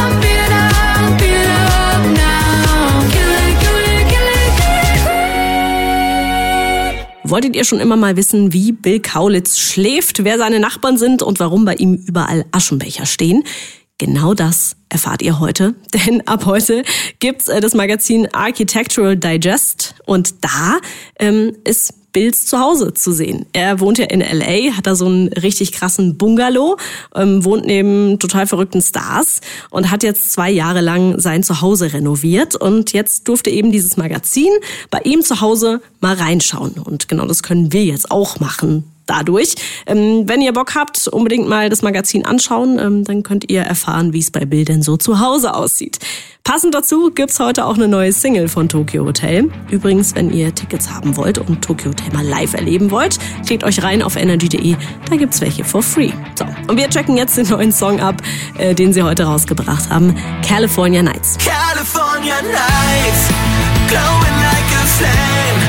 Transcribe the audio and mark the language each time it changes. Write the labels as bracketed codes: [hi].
[en] Queen. Hit it up, beat it up, beat it up now. Kill it, kill it, kill it, kill it, queen. [de] Wolltet ihr schon immer mal wissen, wie Bill Kaulitz schläft, wer seine Nachbarn sind und warum bei ihm überall Aschenbecher stehen? Genau das erfahrt ihr heute, denn ab heute gibt's das Magazin Architectural Digest und da ist Bills Zuhause zu sehen. Er wohnt ja in L.A., hat da so einen richtig krassen Bungalow, wohnt neben total verrückten Stars und hat jetzt 2 Jahre lang sein Zuhause renoviert und jetzt durfte eben dieses Magazin bei ihm zu Hause mal reinschauen und genau das können wir jetzt auch machen. Dadurch. Wenn ihr Bock habt, unbedingt mal das Magazin anschauen, dann könnt ihr erfahren, wie es bei Bill denn so zu Hause aussieht. Passend dazu gibt's heute auch eine neue Single von Tokyo Hotel. Übrigens, wenn ihr Tickets haben wollt und Tokyo Hotel mal live erleben wollt, klickt euch rein auf energy.de, da gibt's welche [en] for free. [de] So, und wir checken jetzt den neuen Song ab, den sie heute rausgebracht haben, California Nights. [en] California Nights, glowing like a flame.